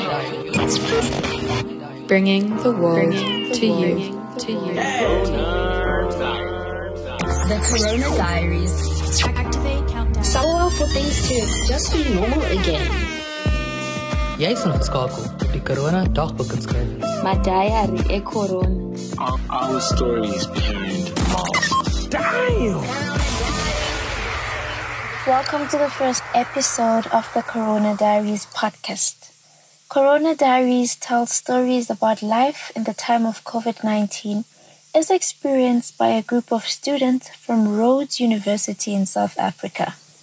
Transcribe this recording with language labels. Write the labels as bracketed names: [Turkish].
[English] Bringing the world to you. The Corona Diaries. Activate countdown. Sell off for things to just be normal again. [Afrikaans] Jy is ingeskakel op die Corona dagboek inskrywings. [English] My diary e Corona. Our stories behind masks. Damn! Welcome to the first episode of the Corona Diaries podcast. Corona Diaries tells stories about life in the time of COVID-19 as experienced by a group of students from Rhodes University in South Africa.